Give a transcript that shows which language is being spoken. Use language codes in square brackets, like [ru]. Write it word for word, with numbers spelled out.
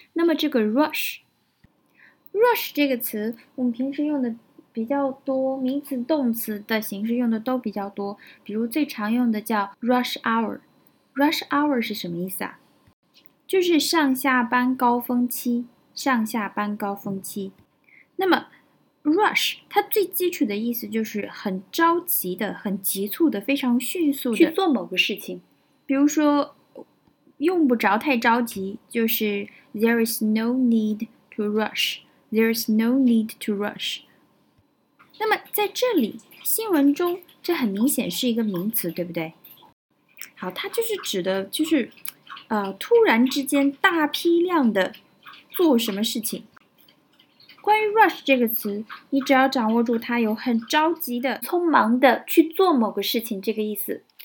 [zh] 那么这个 Rush Rush 这个词我们平时用的比较多，名词动词的形式用的都比较多，比如最常用的叫 rush hour。 rush hour 是什么意思啊？就是上下班高峰期，上下班高峰期。那么 rush 它最基础的意思就是很着急的，很急促的，非常迅速的去做某个事情。比如说用不着太着急，就是 [en] there is no need to rush there is no need to rush。 [zh] 那么在这里新闻中，这很明显是一个名词，对不对？好，它就是指的就是呃，突然之间大批量的做什么事情。关于 rush 这个词，你只要掌握住它有很着急的匆忙的去做某个事情这个意思。